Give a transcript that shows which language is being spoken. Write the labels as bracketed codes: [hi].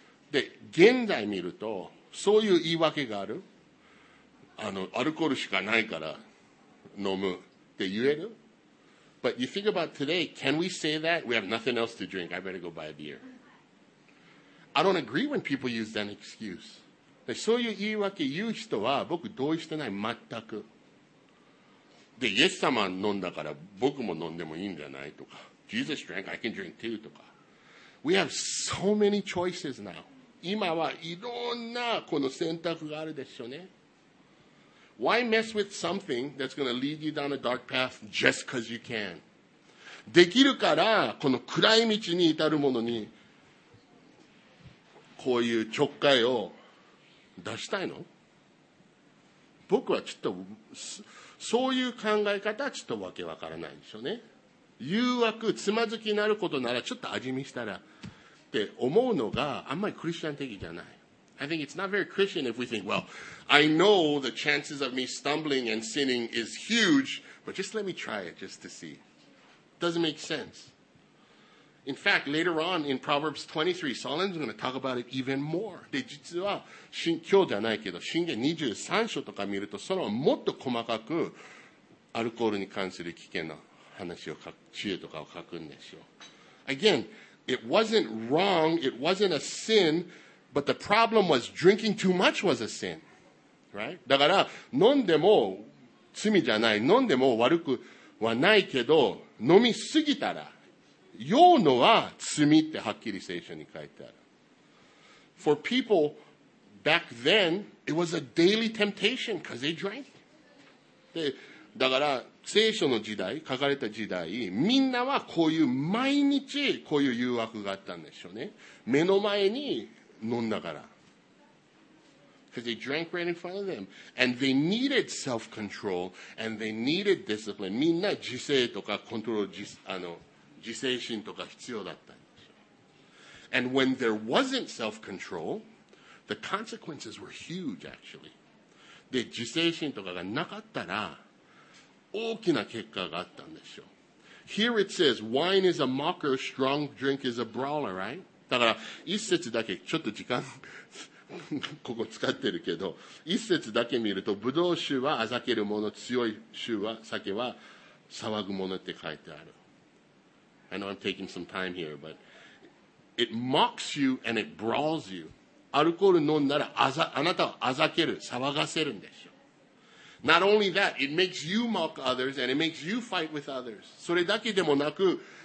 [ja] で、現在見ると、そういう言い訳がある。アルコールしかないから飲むって言える。 [en] But you think about today, can we say that? We have nothing else to drink. I better go buy a beer. I don't agree when people use that excuse. [ja] で、そういう言い訳言う人は僕同意してない、全く。で、イエス様飲んだから僕も飲んでもいいんじゃないとか。 [en] Jesus drank, I can drink too [ja] とか。 [en] We have so many choices now. [ja] 今はいろんなこの選択があるでしょうね。 [en] Why mess with something that's going to lead you down a dark path just because you can? [ja] できるからこの暗い道に至るものにこういうちょっかいを出したいの？僕はちょっとそういう考え方はちょっとわけわからないでしょうね。誘惑つまずきになることならちょっと味見したらって思うのがあんまりクリスチャン的じゃない。 [en] I think it's not very Christian if we think, well, I know the chances of me stumbling and sinning is huge, but just let me try it just to see. Doesn't make sense. In fact, later on in Proverbs 23, Solomon's going to talk about it even more. [ja] で、実は、今日じゃないけど、箴言23章とか見ると、そのもっと細かく、アルコールに関する危険な話を書く、知恵とかを書くんですよ。 [en] again, it wasn't wrong. It wasn't a sin. But the problem was drinking too much was a sin. Right? [ja] だから飲んでも罪じゃない。飲んでも悪くはないけど、飲みすぎたら酔うのは罪ってはっきり聖書に書いてある。 [en] For people back then, it was a daily temptation because they drank. [ja] で、だから聖書の時代、書かれた時代、みんなはこういう毎日こういう誘惑があったんでしょうね。目の前に飲んだから。 [en] Because they drank right in front of them. And they needed self-control. And they needed discipline. [ja] みんな自制とかコントロール、自制心とか必要だったんですよ。 [en] And when there wasn't self-control, the consequences were huge, actually. [ja] で、自制心とかがなかったら、大きな結果があったんですよ。 [en] Here it says, wine is a mocker, strong drink is a brawler, right? [ja] だから、一節だけ、ちょっと時間。ここ使ってるけど一節だけ見るとブドウ酒はあざけるもの強い酒は酒は騒ぐものって書いてある [en] I know I'm taking some time here but it mocks you and it brawls you [ja] アルコール飲んだら あなたはあざける騒がせるんでしょ [en] Not only that it makes you mock others and it makes you fight with others [ja] それだけでもなく